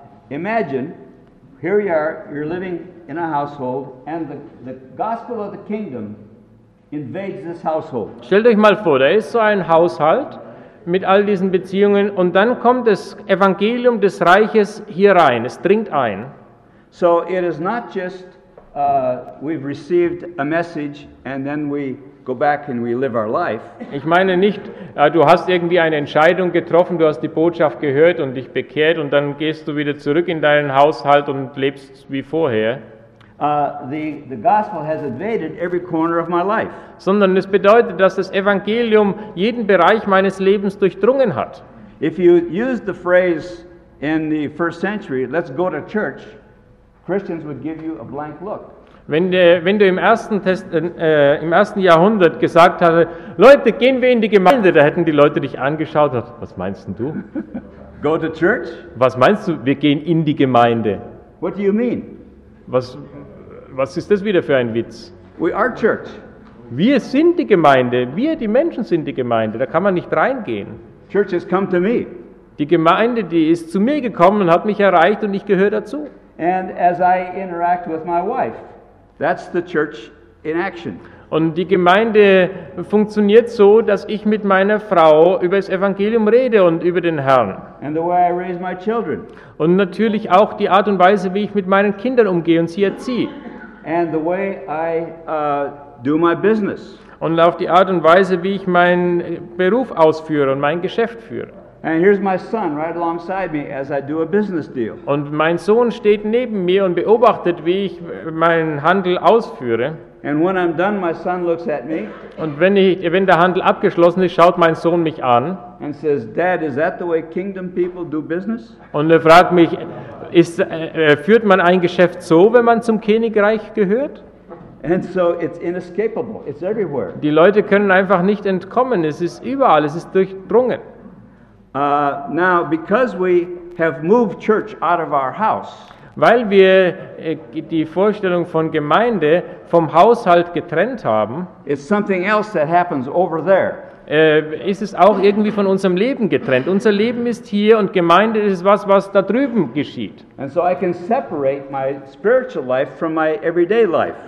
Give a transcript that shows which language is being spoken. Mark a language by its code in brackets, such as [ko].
[en] Imagine, here you are, you're living in a household, and the gospel of the kingdom invades this household. [de] Stellt euch mal vor, da ist so ein Haushalt mit all diesen Beziehungen, und dann kommt das Evangelium des Reiches hier rein, es dringt ein. [en] So it is not just we've received a message and then we go back and we live our life. [de] Ich meine nicht, du hast irgendwie eine Entscheidung getroffen, du hast die Botschaft gehört und dich bekehrt, und dann gehst du wieder zurück in deinen Haushalt und lebst wie vorher. [en] The gospel has invaded every corner of my life. [de] Sondern es bedeutet, dass das Evangelium jeden Bereich meines Lebens durchdrungen hat. [en] If you use the phrase in the first century, let's go to church, Christians would give you a blank look. [de] Wenn du im ersten Jahrhundert gesagt hast, Leute, gehen wir in die Gemeinde, da hätten die Leute dich angeschaut und was meinst denn du? [en] Go to church? [de] Was meinst du, wir gehen in die Gemeinde? [en] What do you mean? [de] Was ist das wieder für ein Witz? [en] We are church. [de] Wir sind die Gemeinde. Wir, die Menschen, sind die Gemeinde. Da kann man nicht reingehen. [en] Church has come to me. [de] Die Gemeinde, die ist zu mir gekommen und hat mich erreicht, und ich gehöre dazu. [en] And as I interact with my wife, that's the church in action. [de] Und die Gemeinde funktioniert so, dass ich mit meiner Frau über das Evangelium rede und über den Herrn. [en] And the way I raise my children. [de] Und natürlich auch die Art und Weise, wie ich mit meinen Kindern umgehe und sie erziehe. [en] And the way I do my business. [de] Und auf die Art und Weise, wie ich meinen Beruf ausführe und mein Geschäft führe. [en] And here's my son right alongside me as I do a business deal. [de] Und mein Sohn steht neben mir und beobachtet, wie ich meinen Handel ausführe. [en] And when I'm done, my son looks at me. [de] Und wenn der Handel abgeschlossen ist, schaut mein Sohn mich an. [en] And says, Dad, is that the way kingdom people do business? [de] Und fragt mich, führt man ein Geschäft so, wenn man zum Königreich gehört? [en] And so it's inescapable. It's everywhere. [de] Die Leute können einfach nicht entkommen. Es ist überall. Es ist durchdrungen. [en] Now, because we have moved church out of our house, [de] weil wir die Vorstellung von Gemeinde vom Haushalt getrennt haben, it's something else that happens over there. Ist es auch irgendwie von unserem Leben getrennt. Unser Leben ist hier und Gemeinde ist was, was da drüben geschieht. [en] And so I can separate my spiritual life from my everyday life.